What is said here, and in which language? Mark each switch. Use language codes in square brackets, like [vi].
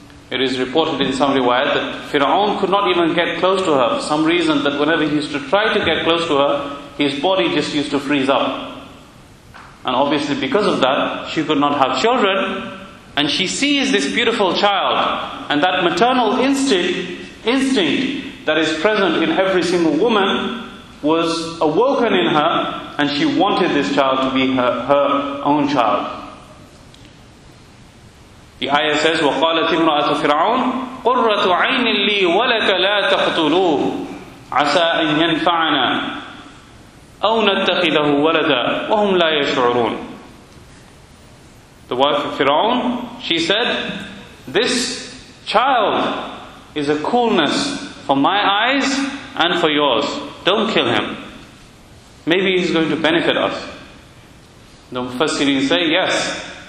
[en] It is reported in some riwayat that Fir'aun could not even get close to her for some reason, that whenever he used to try to get close to her, his body just used to freeze up. And obviously because of that, she could not have children, And she sees this beautiful child, and that maternal instinct that is present in every single woman was awoken in her, and she wanted this child to be her own child. The ayah says, [ar] وَقَالَتْ إِمْرَأَةُ فِرْعَوْنُ قُرَّةُ عَيْنٍ لِي وَلَكَ لَا تَقْتُلُوهُ عَسَىٰ أَنْ يَنْفَعَنَا أَوْ نَتَّخِذَهُ وَلَدًا وَهُمْ لَا يَشْعُرُونَ. [en] The wife of Fir'aun, she said, this child is a coolness for my eyes and for yours. Don't kill him. Maybe he's going to benefit us. The Mufassirin say, yes.